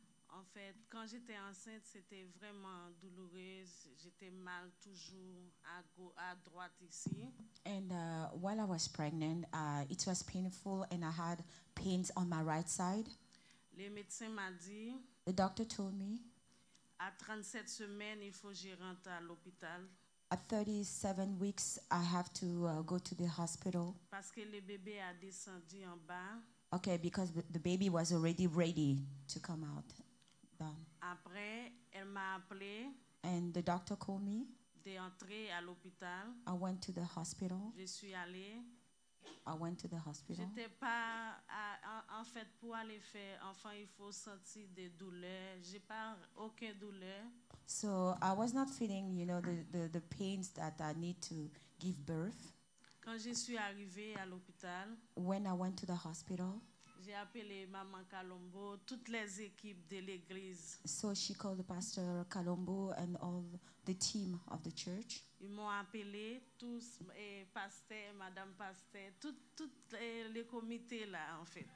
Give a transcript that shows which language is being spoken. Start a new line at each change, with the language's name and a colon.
French: En fait, quand j'étais enceinte, c'était vraiment douloureuse. J'étais mal toujours à droite ici.
English: And while I was pregnant, it was painful and I had pains on my right side.
French: Le médecin m'a dit.
English: The doctor told me.
French: À 37 semaines, il faut que je rentre à l'hôpital.
English: At 37 weeks, I have to go to the hospital.
French: Parce que le bébé a descendu en bas.
English: Okay, because the baby was already ready to come out. Down.
French: Après, elle m'a appelé.
English: And the doctor called me.
French: D'entrer à l'hôpital.
English: I went to the hospital.
French: Je suis allée.
English: I went to the hospital.
French: J'étais pas en fait pour aller faire enfant, il faut sentir des douleurs. J'ai pas aucune douleur.
English: So I was not feeling, you know, the pains that I need to give birth.
French: Quand je suis arrivée à l'hôpital,
English: when I went to the hospital,
French: j'ai appelé maman Kalombo, toutes les équipes de l'église.
English: So she called the pastor Kalombo and all the team of the church.
French: Ils m'ont appelé tous, pasteur, madame pasteur, tout le comité là en fait.